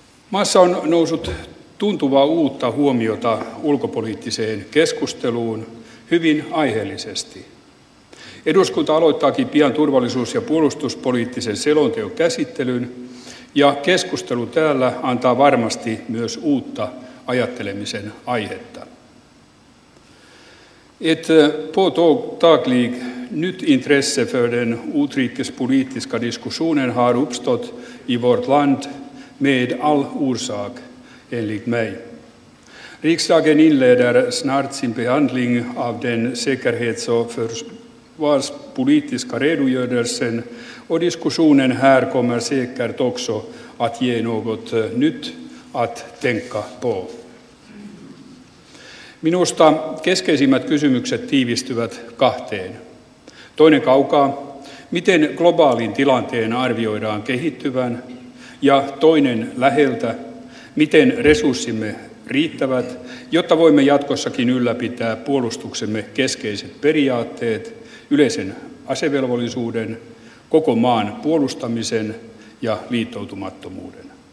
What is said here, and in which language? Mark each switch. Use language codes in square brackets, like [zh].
[fi] Maassa on noussut tuntuvaa uutta huomiota ulkopoliittiseen keskusteluun hyvin aiheellisesti. Eduskunta aloittaakin pian turvallisuus- ja puolustuspoliittisen selonteon käsittelyn, ja keskustelu täällä antaa varmasti myös uutta ajattelemisen aihetta. [sv] Ett påtagligt nytt intresse för den utrikespolitiska diskussionen har uppstått i vårt land med all orsak, enligt mig. Riksdagen inleder snart sin behandling av den säkerhets- och försvarspolitiska redogörelsen, och diskussionen här kommer säkert också att ge något nytt att tänka på. [fi] Minusta keskeisimmät kysymykset tiivistyvät kahteen. Toinen kaukaa, miten globaalin tilanteen arvioidaan kehittyvän, ja toinen läheltä, miten resurssimme riittävät, jotta voimme jatkossakin ylläpitää puolustuksemme keskeiset periaatteet, yleisen asevelvollisuuden, koko maan puolustamisen ja liittoutumattomuuden.